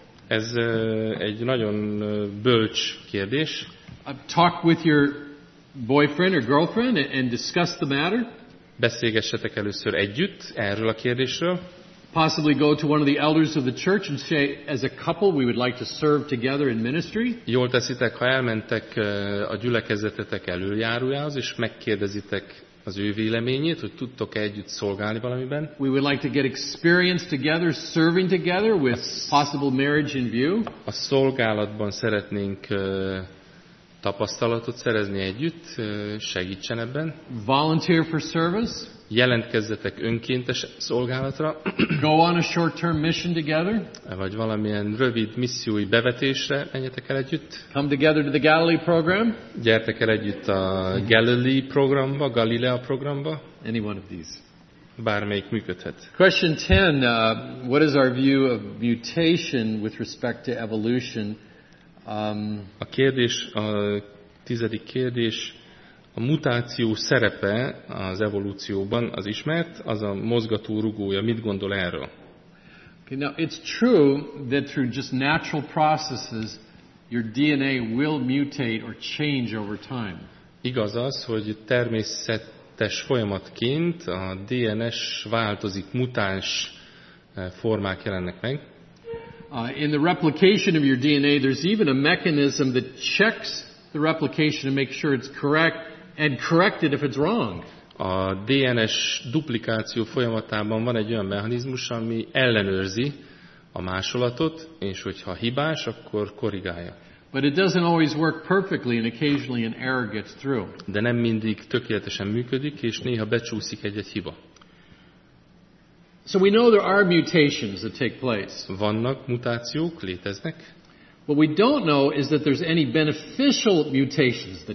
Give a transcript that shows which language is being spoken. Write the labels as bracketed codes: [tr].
[hu] Ez egy nagyon bölcs kérdés. [en] Talk with your boyfriend or girlfriend and discuss the matter. [hu] Beszélgessetek először együtt erről a kérdésről. [en] Possibly go to one of the elders of the church and say, as a couple, we would like to serve together in ministry. [hu] Jól teszitek, ha elmentek a gyülekezetetek elöljárójához, és megkérdezitek az ő véleményét, hogy tudtok-e együtt szolgálni valamiben. [en] We would like to get experience together, serving together with possible marriage in view. [hu] A szolgálatban szeretnénk tapasztalatot szerezni együtt, segítsen ebben. [en] Volunteer for service. [hu] Jelentkezzetek önkéntes szolgálatra. [en] Go on a short-term mission together. [hu] Vagy valamilyen rövid missziói bevetésre menjetek el együtt. [en] Come together to the Galilee program. [hu] Gyertek el együtt a Galilee programba, Galilea programba. [en] Any one of these. [hu] Bármelyik működhet. [en] Question 10. What is our view of mutation with respect to evolution? [hu] A kérdés, a 10. kérdés. A mutáció szerepe az evolúcióban az ismert, az a mozgató rugója. Mit gondol erről? [en] Okay, now it's true that through just natural processes your DNA will mutate or change over time. [hu] Igaz az, hogy természetes folyamatként a DNS változik, mutáns formák jelennek meg. [en] In the replication of your DNA there's even a mechanism that checks the replication to make sure it's correct. And correct it if it's wrong. [hu] A DNS duplikáció folyamatában van egy olyan mechanizmus, ami ellenőrzi, a másolatot, és hogyha hibás, akkor korrigálja. [en] But it doesn't always work perfectly, and occasionally an error gets through. [hu] De nem mindig tökéletesen működik, és néha becsúszik egy-egy hiba. [en] So we know there are mutations that take place. [hu] Vannak mutációk, léteznek. [en] What we don't know is that there's any beneficial mutations that